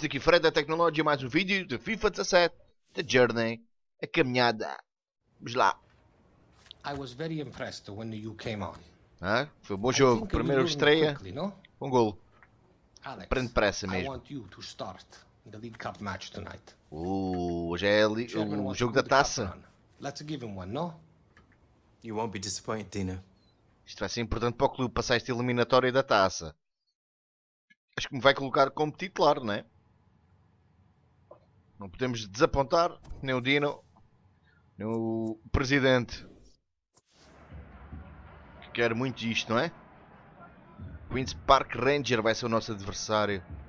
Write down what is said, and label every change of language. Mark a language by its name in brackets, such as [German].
[Portuguese] Daqui Fred da Tecnologia, mais um vídeo de FIFA 17, The Journey, a caminhada. Vamos lá. [English] I was very impressed when you came on. [Portuguese] Ah, foi um bom jogo, primeira estreia, com um golo. Alex, prende pressa mesmo. [English] I want you to start the League Cup match tonight. [Portuguese] Hoje é o jogo da taça. [English] Let's give him one, no? You won't be disappointed, Dina. [Portuguese] Isto vai ser importante para o clube passar esta eliminatória da taça. Acho que me vai colocar como titular, não é? Não podemos desapontar nem o Dino, nem o presidente. Que quer muito isto, não é? Queen's Park Ranger vai ser o nosso adversário.